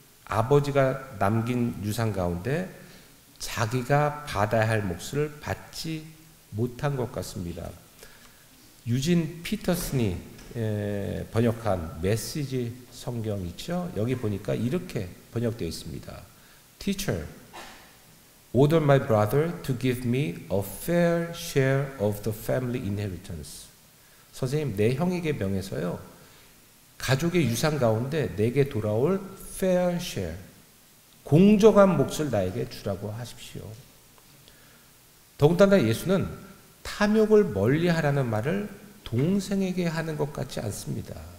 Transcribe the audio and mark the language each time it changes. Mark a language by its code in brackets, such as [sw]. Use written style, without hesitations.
[ko] 아버지가 남긴 유산 가운데 자기가 받아야 할 몫을 받지 못한 것 같습니다. 유진 피터슨이 번역한 메시지 성경 있죠? 여기 보니까 이렇게 번역되어 있습니다. [en] Teacher, order my brother to give me a fair share of the family inheritance. [ko] 선생님, 내 형에게 명해서요. 가족의 유산 가운데 내게 돌아올 fair share, 공정한 몫을 나에게 주라고 하십시오. 더군다나 예수는 탐욕을 멀리하라는 말을 동생에게 하는 것 같지 않습니다.